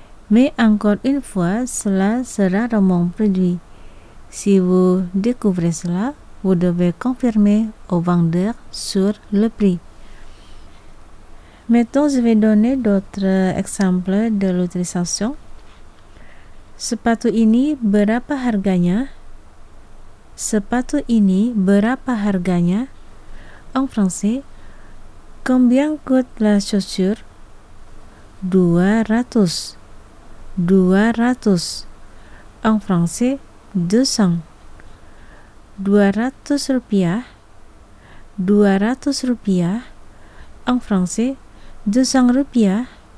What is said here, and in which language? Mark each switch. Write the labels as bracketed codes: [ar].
[fr] Mais encore une fois, cela sera rarement produit. Si vous découvrez cela, vous devez confirmer au vendeur sur le prix. Maintenant, je vais donner d'autres exemples de l'utilisation. [id] Sepatu ini berapa harganya? Sepatu ini berapa harganya? [fr] En français, combien coûte la chaussure? 200. 200. En français, 200. 200 rupiah. 200 rupiah. En français, 200 rupiah.